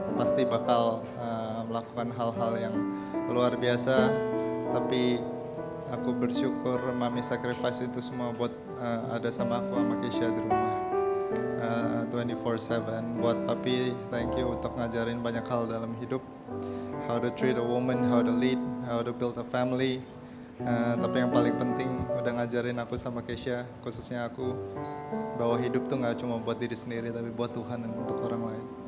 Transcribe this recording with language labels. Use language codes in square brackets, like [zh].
[id] Pasti bakal melakukan hal-hal yang luar biasa. Tapi aku bersyukur Mami sacrifice itu semua buat ada sama aku sama Keisha di rumah. 24/7. Buat Papi, [en] thank you [id] untuk ngajarin banyak hal dalam hidup. [en] How to treat a woman, how to lead, how to build a family. [id] Tapi yang paling penting udah ngajarin aku sama Keisha, khususnya aku, bahwa hidup tuh gak cuma buat diri sendiri, tapi buat Tuhan dan untuk orang lain.